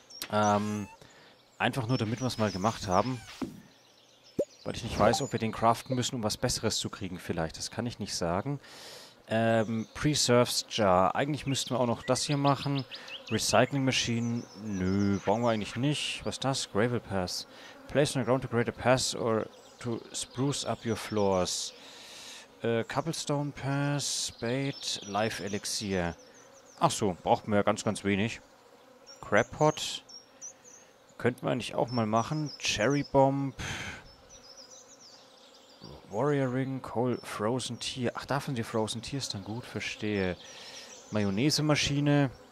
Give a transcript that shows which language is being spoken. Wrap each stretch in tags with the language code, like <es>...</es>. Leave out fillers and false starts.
<de>Einfach nur, damit wir es mal gemacht haben. Weil ich nicht weiß, ob wir den craften müssen, um was Besseres zu kriegen vielleicht. Das kann ich nicht sagen. Preserves Jar. Eigentlich müssten wir auch noch das hier machen. Recycling Machine. Nö, brauchen wir eigentlich nicht. Was ist das? Gravel Pass.</de> <en>Place on the ground to create a pass or to spruce up your floors.</en> <de>Cobblestone Pass, Spade, Life Elixier. Ach so, braucht man ja ganz, ganz wenig. Crab Pot. Könnten wir eigentlich auch mal machen. Cherry Bomb.</de> <en>Warrior Ring, Coal, Frozen Tier.</en> <de>Ach, davon die Frozen Tier ist dann gut, verstehe. Mayonnaise Maschine.</de>